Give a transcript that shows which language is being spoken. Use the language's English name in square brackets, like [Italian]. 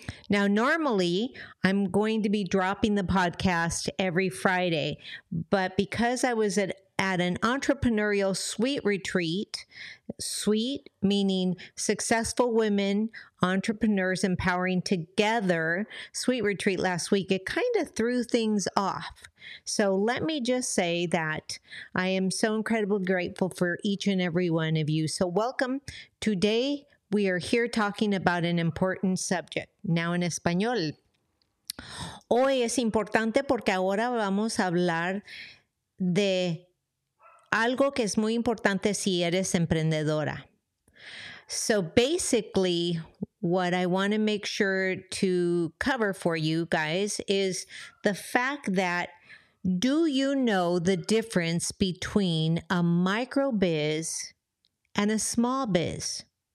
[English] Now, normally, I'm going to be dropping the podcast every Friday, but because I was at an entrepreneurial suite retreat, suite meaning successful women entrepreneurs empowering together, suite retreat last week, it kind of threw things off. So let me just say that I am so incredibly grateful for each and every one of you. So welcome. Today we are here talking about an important subject. Now in español. [Spanish] Hoy es importante porque ahora vamos a hablar de algo que es muy importante si eres emprendedora. [English] So basically, what I want to make sure to cover for you guys is the fact that, do you know the difference between a micro biz and a small biz?